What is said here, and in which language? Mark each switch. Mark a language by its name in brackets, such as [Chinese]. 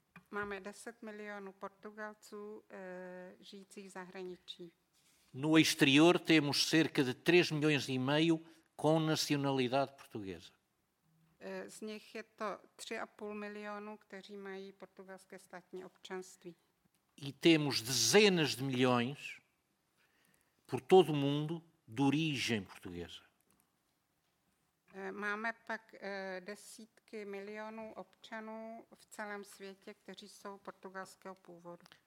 [Czech] Máme 10 milionů Portugalců žijících v zahraničí. [Portuguese] No exterior temos cerca de 3 milhões e meio com nacionalidade portuguesa. [Czech] Z nich je to 3,5 milionů, kteří mají portugalské státní občanství. [Portuguese] E temos dezenas de milhões por todo o mundo de origem portuguesa. [Czech] Máme pak desítky milionů občanů v celém světě, kteří jsou portugalského původu.